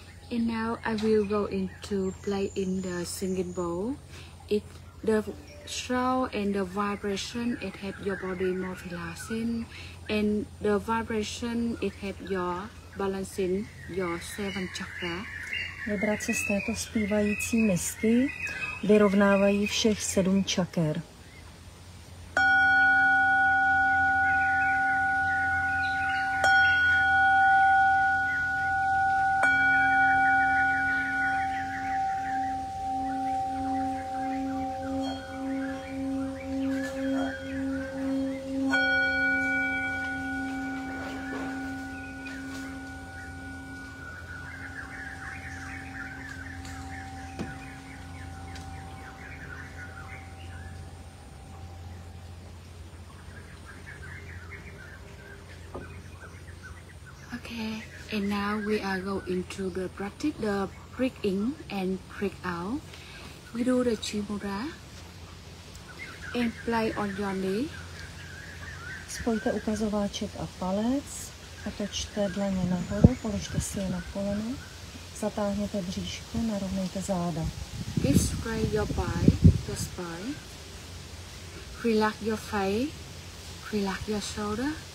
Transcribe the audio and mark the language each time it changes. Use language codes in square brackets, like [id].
[en] And now I will go into play in the singing bowl. It the sound and the vibration it help your body more relaxing and the vibration it help your balancing your seven chakra. [cs] Vibrace z této zpívající misky vyrovnávají všech 7 čaker. [en] Thank you. Okay, and now we are going to the practice, the breathe in and breathe out. We do the Chimura and play on your knee. [cs] Spojte ukazováček a palec, otočte dlaně nahoru, položte si je na koleno, zatáhněte bříško, narovnejte záda. [en] Give straight your back, your spine. Relax your face, relax your shoulder.